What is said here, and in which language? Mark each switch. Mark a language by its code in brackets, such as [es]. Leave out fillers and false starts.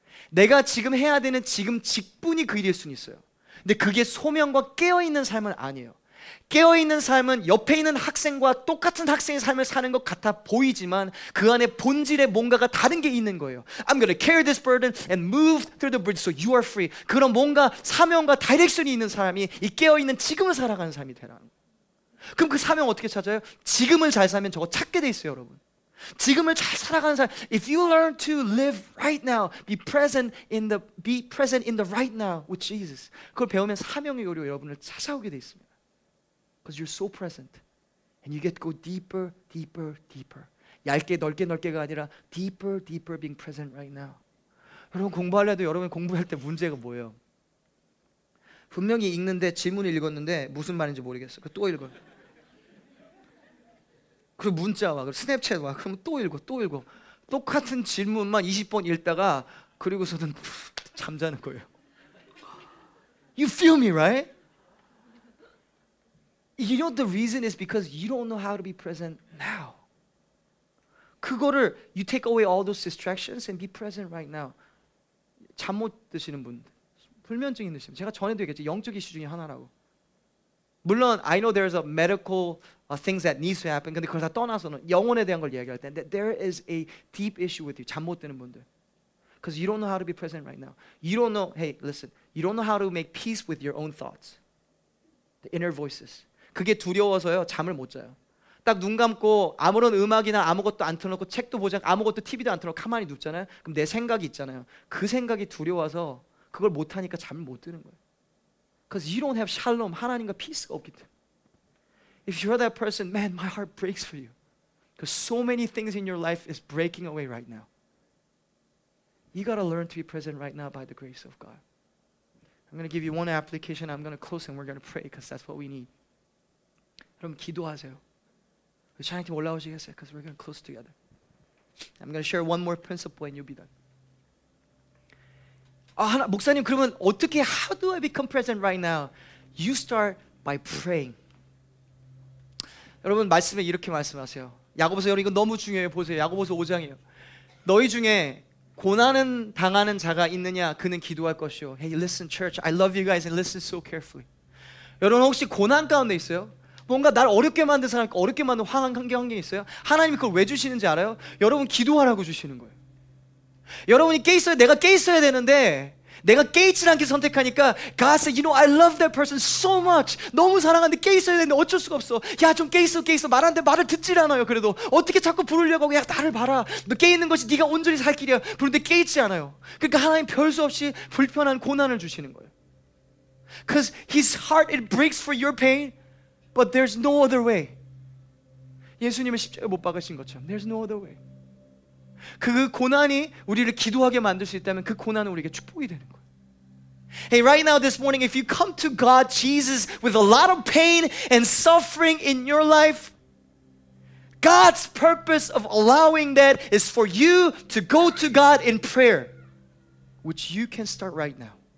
[ko] 내가 지금 해야 되는 지금 직분이 그 일일 수는 있어요. 근데 그게 소명과 깨어있는 삶은 아니에요. 깨어있는 삶은 옆에 있는 학생과 똑같은 학생의 삶을 사는 것 같아 보이지만 그 안에 본질에 뭔가가 다른 게 있는 거예요. [en] I'm going to carry this burden and move through the bridge so you are free. [ko] 그런 뭔가 사명과 다이렉션이 있는 사람이 이 깨어있는 지금을 살아가는 삶이 되라는 거예요. 그럼 그 사명 어떻게 찾아요? 지금을 잘 살면 저거 찾게 돼 있어요, 여러분. 지금을 잘 살아가는 사람. [en] If you learn to live right now, be present in the right now with Jesus. [ko] 그걸 배우면 사명의 요리로 여러분을 찾아오게 돼 있습니다. [en] Because you're so present, and you get to go deeper, deeper, deeper. [ko] 얇게 넓게 넓게가 아니라 [en] deeper, deeper being present right now. [ko] 여러분 공부하려도 여러분 공부할 때 문제가 뭐예요? 분명히 읽는데 질문을 읽었는데 무슨 말인지 모르겠어. 그럼 또 읽어. 그리고 문자 와. 그리고 스냅챗 와. 그럼 또 읽어. 또 읽어. 똑같은 질문만 20번 읽다가 그리고서는 잠자는 거예요. [en] You feel me, right? You know the reason is because you don't know how to be present now. 그거를 you take away all those distractions and be present right now. [ko] 잠 못 드시는 분 불면증 있는 시험. 제가 전에도 얘기했죠. 영적 이슈 중에 하나라고. [en] 물론 I know there's a medical things that needs to happen. [ko] 근데 그걸 다 떠나서는 영혼에 대한 걸 얘기할 때 [en] there is a deep issue with you. [ko] 잠 못 드는 분들. [en] Because you don't know how to be present right now. You don't know, hey, listen. You don't know how to make peace with your own thoughts. The inner voices. [ko] 그게 두려워서요. 잠을 못 자요. 딱 눈 감고 아무런 음악이나 아무것도 안 틀어놓고 책도 보지 않고 아무것도 TV도 안 틀어놓고 가만히 눕잖아요. 그럼 내 생각이 있잖아요. 그 생각이 두려워서 그걸 못하니까 잠을 못 드는 거예요. [en] Because you don't have shalom, [ko] 하나님과 peace가 없기 때문에. [en] If you're that person, man, my heart breaks for you. Because so many things in your life is breaking away right now. You gotta learn to be present right now by the grace of God. I'm going to give you one application. I'm going to close and we're going to pray because that's what we need. [ko] 여러분 기도하세요. 우리 찬양팀 올라오시겠어요? [en] Because we're going to close together. I'm going to share one more principle and you'll be done. [ko] 아, 하나, 목사님 그러면 어떻게 [en] how do I become present right now? You start by praying. [ko] 여러분 말씀에 이렇게 말씀하세요. 야고보서 여러분 이거 너무 중요해요. 보세요. 야고보서 5장이에요. 너희 중에 고난은 당하는 자가 있느냐 그는 기도할 것이요. [en] Hey listen church. I love you guys and listen so carefully. [ko] 여러분 혹시 고난 가운데 있어요? 뭔가 날 어렵게 만든 사람, 어렵게 만든 황한 환경이 있어요? 하나님이 그걸 왜 주시는지 알아요? 여러분 기도하라고 주시는 거예요. 여러분이 깨있어요. 내가 깨있어야 되는데 내가 깨이지 않게 선택하니까 [en] God said, you know, I love that person so much. [ko] 너무 사랑하는데 깨있어야 되는데 어쩔 수가 없어. 야, 좀 깨있어, 깨있어. 말하는데 말을 듣질 않아요, 그래도. 어떻게 자꾸 부르려고 하고 야, 나를 봐라. 너 깨있는 것이 네가 온전히 살 길이야. 그런데 깨있지 않아요. 그러니까 하나님 별 수 없이 불편한 고난을 주시는 거예요. [en] Because his heart, it breaks for your pain. But there's no other way. [ko] 예수님은 십자가 못 박으신 것처럼 [en] There's no other way. [ko] 그 고난이 우리를 기도하게 만들 수 있다면 그 고난은 우리에게 축복이 되는 거예요. [en] Hey, right now this morning, if you come to God, Jesus, with a lot of pain and suffering in your life, God's purpose of allowing that is for you to go to God in prayer, which you can start right now.